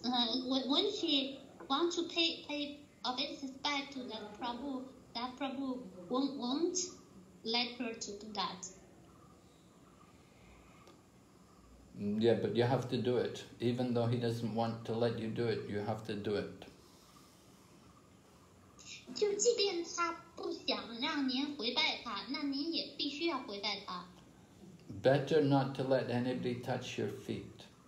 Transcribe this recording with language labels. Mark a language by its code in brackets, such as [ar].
[en] When she want to pay obeisance back to that Prabhu won't let her to do that. Yeah, but you have to do it. Even though he doesn't want to let you do it, you have to do it. [zh] 就即便他不想让您回拜他，那您也必须要回拜他。 [en] better not to let anybody touch your feet.